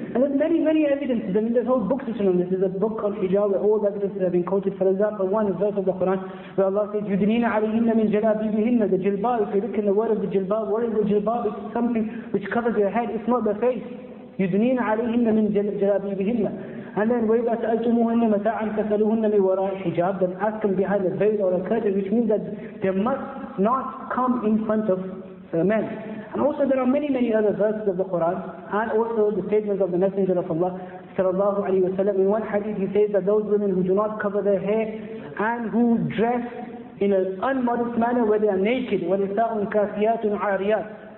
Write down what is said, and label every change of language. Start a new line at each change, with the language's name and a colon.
English: And there's many, many evidences. I mean, there's whole books written on this. There's a book called Hijab where all the evidences have been quoted. For example, one verse of the Quran where Allah says,
Arabic: يُدْنِينَ عَلَيْهِنَّ مِنْ جَلَابِيبِهِنَّ.
English: The jilbab, if you look in the word of the jilbab, what is the jilbab? It's something which covers your head, it's not the face.
Arabic: يُدْنِينَ عَلَيْهِنَّ مِنْ جَلَابِيبِهِنَّ.
English: And then
Arabic: وَإِذَا سَأَلْتُمُوهُنَّ مَتَاعًا فَسَأَلُوهُنَّ مِنْ وَرَاءِ حِجَابٍ.
English: Then ask them behind a veil or a curtain, which means that they must not come in front of men. And also there are many, many other verses of the Quran, and also the statements of the Messenger of Allah sallallahu alayhi wa sallam. In one hadith he says that those women who do not cover their hair and who dress in an unmodest manner where they are naked,
Arabic: وَنِسَاءٌ كَافِيَاتٌ عَارِيَاتٌ.